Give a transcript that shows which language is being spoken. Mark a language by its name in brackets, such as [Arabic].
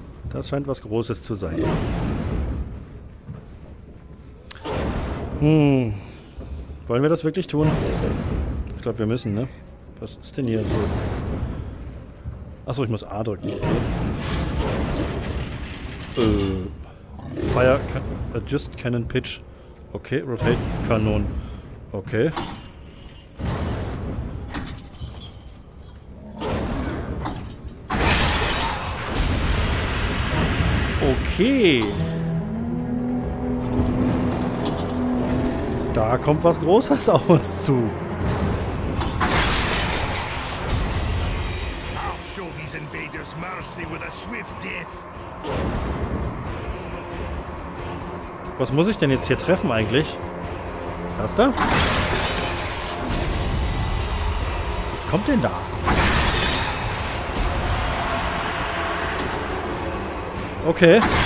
[German] Das scheint was Großes zu sein. Wollen wir das wirklich tun? Ich glaube, wir müssen, ne? Was ist denn hier so? Achso, ich muss A drücken. Okay. [English] Fire adjust cannon pitch. Okay, rotate Kanon. Okay. Okay. [German] Da kommt was Großes auf uns zu. [English] I'll show these invaders mercy with a swift death. [German] Was muss ich denn jetzt hier treffen eigentlich? Das da? Was kommt denn da? Okay.